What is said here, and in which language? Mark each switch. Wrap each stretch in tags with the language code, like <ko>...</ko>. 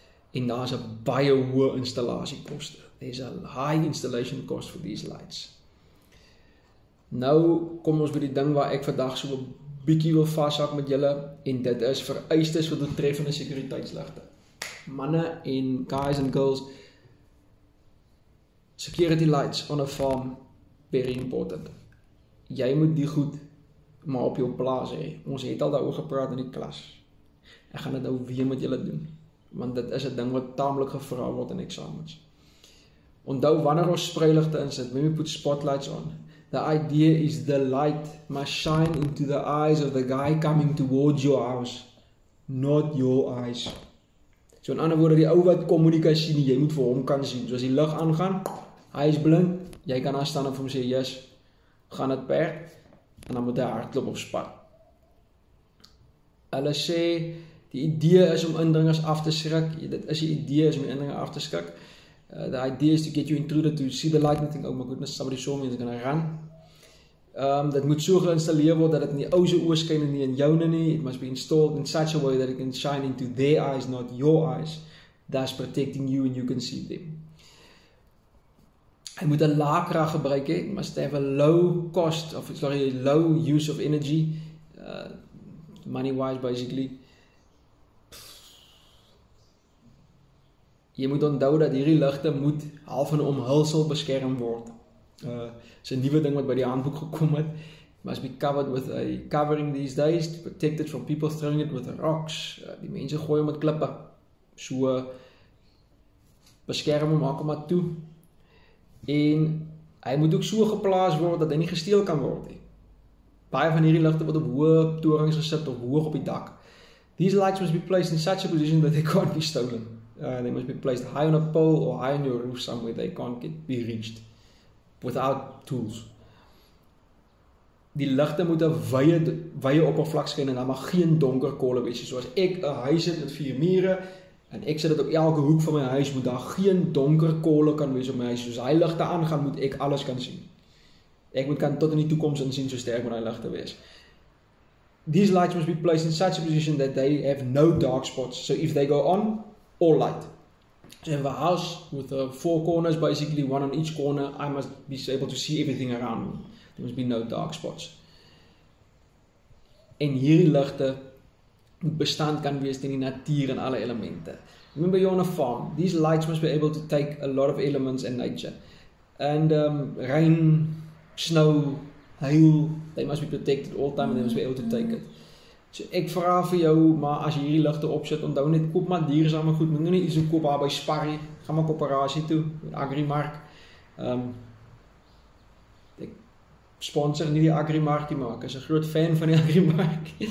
<af>En daar is 'n baie hoë installasiekoste.</af> <en>There's a high installation cost for these lights.</en> <af>Nou kom ons by die ding waar ek vandag so 'n bietjie wil vashak met julle, en dit is vereistes vir doeltreffende sekuriteitsligte. Manne en</af> <en>guys and girls, security lights on a farm, very important.</en> <af>Jy moet die goed maar op jou plaas hê. Ons het al daaroor gepraat in die klas. Ek gaan dit nou weer met julle doen. Want dit is 'n ding wat taamlik gevra word in eksamens. Onthou wanneer ons spreiligte insit,</af> <en>when we put spotlights on, the idea is the light must shine into the eyes of the guy coming towards your house, not your eyes.</en> <af>So in ander woorde, die ou wat kom moet jy kan sien, jy moet vir hom kan sien. So as die lig aangaan, hy is blind, jy kan aanstaan en vir hom sê, yes, gaan het perd, en dan moet hy hardloop of spat. Hulle sê, die idee is om indringers af te skrik. Dit is die idee is om die indringer af te skrik.</af> <en>The idea is to get you intruder to see the light and think, oh my goodness, somebody saw me and is going to run.</en> <af>Dit moet so geïnstalleer word dat het in die ouse oë skyn en nie in joune nie.</af> <en>It must be installed in such a way that it can shine into their eyes, not your eyes. That's protecting you and you can see them.</en> <af>Hy moet 'n lae krag gebruik hê.</af> <en>Must have a low cost of, sorry, low use of energy. Money wise basically.</en> <af>Je moet onthou dat hierdie ligte moet half van omhulsel beskerm word. Dis 'n nuwe ding wat by die handboek gekom het.</af> <en>Must be covered with a covering these days to protect it from people throwing it with rocks.</en> <af>Die mense gooi hom met klippe. So beskerm hom, maak hom maar toe. En hy moet ook so geplaas word dat hy nie gesteel kan word nie. Baie van hierdie ligte word op hoë torings gesit of hoog op die dak.</af> <en>These lights must be placed in such a position that they can't be stolen. They must be placed high on a pole or high on your roof somewhere they can't get be reached without tools.</en> <af>Die ligte moet 'n wye oppervlak skyn en daar mag geen donker kolle wees nie. So as ek 'n huis het met vier mure en ek sit dit op elke hoek van my huis, moet daar geen donker kolle kan wees op my huis. Soos hy ligte aangaan, moet ek alles kan sien. Ek moet kan tot in die toekoms insien so sterk moet hy ligte wees.</af> <en>These lights must be placed in such a position that they have no dark spots. So if they go on, all light. So in a house with four corners, basically one on each corner, I must be able to see everything around me. There must be no dark spots.</en> <af>En hierdie ligte moet bestand kan wees teen die natuur en alle elemente.</af> <en>Remember you're on a farm. These lights must be able to take a lot of elements in nature. And rain, snow, hail, they must be protected all time and they must be able to take it.</en> <af>So ek vra vir jou, maar as jy hierdie ligte opsit, onthou net koop maar duursame goed. Moet nou nie iets koop daar by Spar nie. Gaan maar koöperasie toe, Agrimark. Ek sponsor nie die Agrimark nie, maar ek is 'n groot fan van die Agrimark.</af>